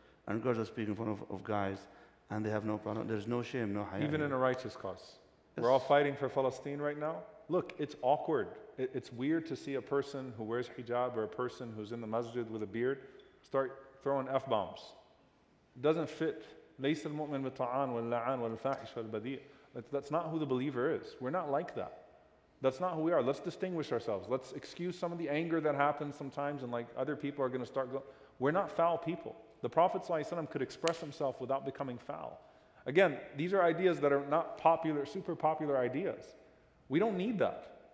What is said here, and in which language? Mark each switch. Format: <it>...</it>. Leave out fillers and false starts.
<en>And girls are speaking in front of guys, and they have no problem. There's no shame, no haya. Even in a righteous cause. Yes. We're all fighting for Palestine right now. Look, it's awkward. It's weird to see a person who wears hijab or a person who's in the masjid with a beard start throwing F-bombs. It doesn't fit.</en> <ar>ليس المؤمن بالطعان واللعان والفاحش والبديء.</ar> <en>That's not who the believer is. We're not like that. That's not who we are. Let's distinguish ourselves. Let's excuse some of the anger that happens sometimes, and like other people are going to start going. We're not foul people. The Prophet ﷺ could express himself without becoming foul. Again, these are ideas that are not popular, super popular ideas. We don't need that.</en>